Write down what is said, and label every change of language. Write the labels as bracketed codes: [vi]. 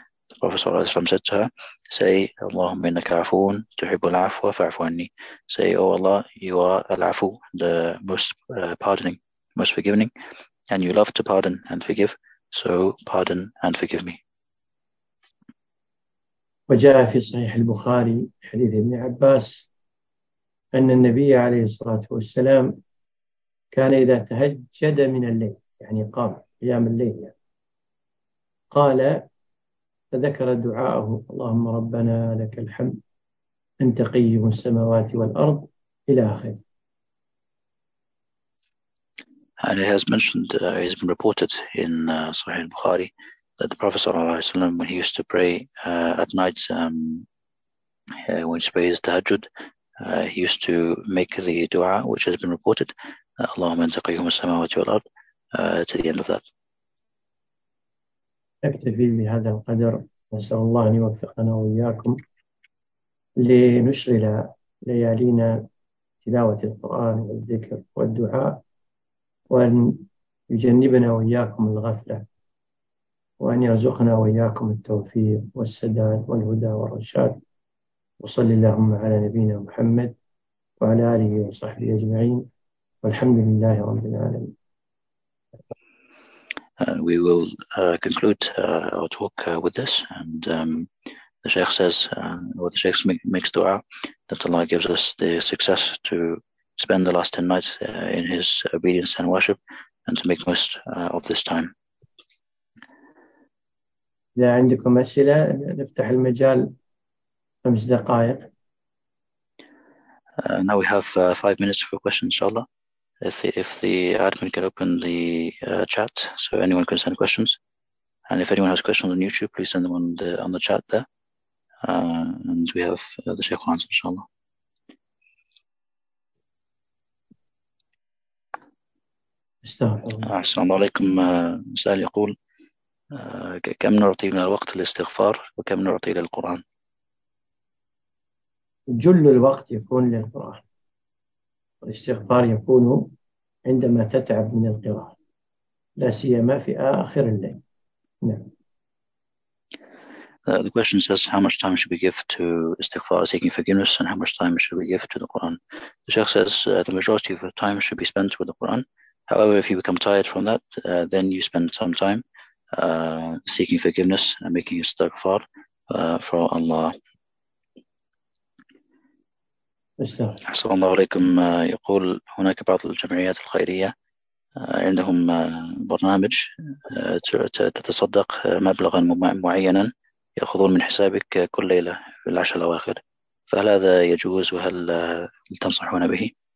[en] The Prophet sallallahu alaihi wasallam said to her, say, [ar] Allahumma innaka afoon, tuhibbul afwa fa'fu anni. [en] Say, O Allah, you are al-afu, the most pardoning, most forgiving, and you love to pardon and forgive, so pardon and forgive me. [ar] وجاء في صحيح البخاري حديث ابن عباس أن النبي عليه الصلاة والسلام كان إذا تهجد من الليل يعني قام قيام الليل يعني قال فذكر دعاءه اللهم ربنا لك الحمد أنت قي السماوات والأرض إلى آخر. [en] And it has mentioned, it has been reported in Sahih al-Bukhari that the Prophet sallallahu alaihi wasallam, when he used to pray at night, when he prays tahajjud, he used to make the dua which has been reported, [ar] اللهم أنت قي السماوات والأرض, [en] to the end of that. [ar] أكتفي بهذا القدر وأسأل الله أن يوفقنا وإياكم لنشغل ليالينا تلاوة القرآن والذكر والدعاء وأن يجنبنا وإياكم الغفلة وأن يرزقنا وإياكم التوفيق والسداد والهدى والرشاد وصلي اللهم على نبينا محمد وعلى آله وصحبه أجمعين والحمد لله رب العالمين. [en] We will conclude our talk with this, and the Sheikh says, or the Sheikh makes dua that Allah gives us the success to spend the last 10 nights in His obedience and worship, and to make most of this time. [ar] إذا عندكم أسئلة نفتح المجال خمس دقائق. [en] Now we have 5 minutes for questions, inshallah. If the admin can open the chat, so anyone can send questions. And if anyone has questions on YouTube, please send them on the chat there. And we have the Sheikh will answer, inshallah. [ar] السلام عليكم سائل يقول كم نعطي من الوقت للاستغفار وكم نعطي للقرآن؟ جل الوقت يكون للقرآن والاستغفار يكون عندما تتعب من القراءة لا سيما في آخر الليل. نعم. [en] The question says, how much time should we give to istighfar, seeking forgiveness, and how much time should we give to the Quran? The Sheikh says, the majority of the time should be spent with the Quran. However, if you become tired from that, then you spend some time seeking forgiveness and making istighfar for Allah. [ar] السلام عليكم. يقول هناك بعض الجمعيات الخيرية عندهم برنامج تتصدق مبلغا معينا يأخذون من حسابك كل ليلة في العشر الأواخر، فهل هذا يجوز وهل تنصحون به؟